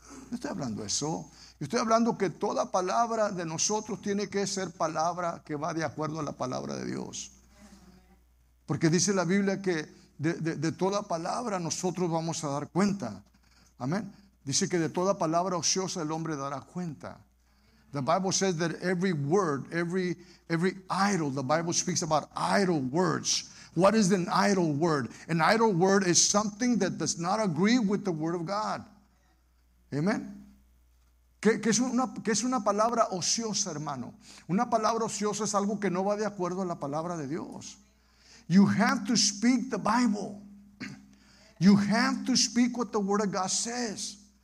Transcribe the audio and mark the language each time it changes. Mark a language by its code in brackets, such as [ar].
[es] No estoy hablando de eso. Estoy hablando que toda palabra de nosotros tiene que ser palabra que va de acuerdo a la palabra de Dios. Porque dice la Biblia que de toda palabra nosotros vamos a dar cuenta. Amén. Dice que de toda palabra ociosa el hombre dará cuenta. [en] The Bible says that every word, every idle, the Bible speaks about idle words. What is an idle word? An idle word is something that does not agree with the word of God. [es] Amen. ¿Qué es una palabra ociosa, hermano? Una palabra ociosa es algo que no va de acuerdo a la palabra de Dios. [en] You have to speak the Bible. You have to speak what the word of God says.